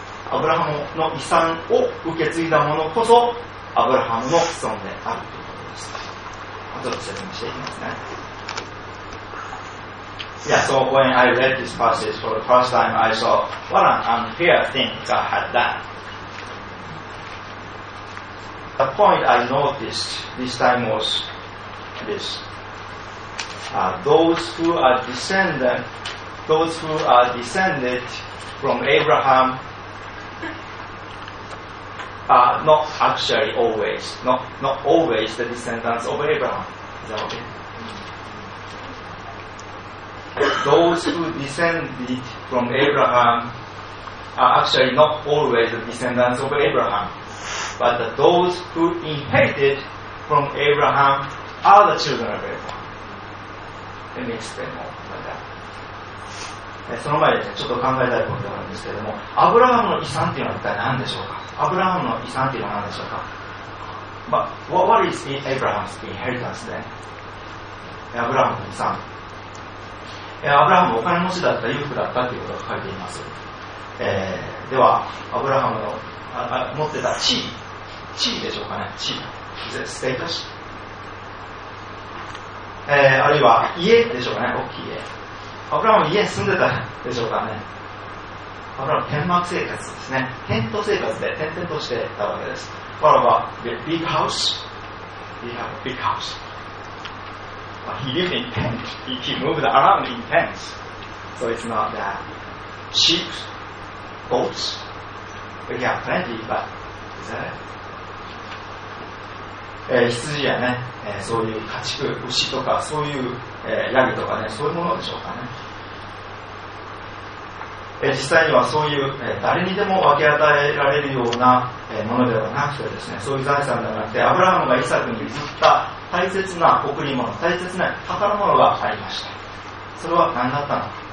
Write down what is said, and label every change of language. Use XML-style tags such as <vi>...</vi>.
<ja>アブラハムの遺産を受け継いだ者こそアブラハムの子孫であるということです。ちょっと説明していきますね。</ja> <en>Yeah, so when I read this passage for the first time, I saw what an unfair thing God had done. The point I noticed this time was thisThose who are descended from Abraham are not actually always, not always the descendants of Abraham. Is that okay? Those who descended from Abraham are actually not always the descendants of Abraham, but those who inherited from Abraham are the children of Abraham. It makes them more like that.</en> <ja>その前で、ね、ちょっと考えたいことがあるんですけれども、アブラハムの遺産というのは一体何でしょうか。アブラハムの遺産というのは何でしょうか。</ja> <en>But what is Abraham's inheritance then?</en> <ja>アブラハムの遺産、アブラハムはお金持ちだった、裕福だったということが書いています。ではアブラハムの持ってた地位でしょうかね。地位ステータス、あるいは家でしょうかね。大きい家、アブラハム家に住んでたでしょうかね。アブラハム天幕生活ですね。テント生活で転々としてたわけです。</ja> <en>What about the big house? He had a big house. But he lived in tents. He moved around in tents. So it's not that. Sheep, goats, he had plenty, but is that it?</en> <ja>羊やね、そういう家畜、牛とかそういう、ヤギとかね、そういうものでしょうかね。実際にはそういう、誰にでも分け与えられるような、ものではなくてですね、そういう財産ではなくて、アブラハムがイサクに譲った大切な贈り物、大切な宝物がありました。それは何だったのか。</ja>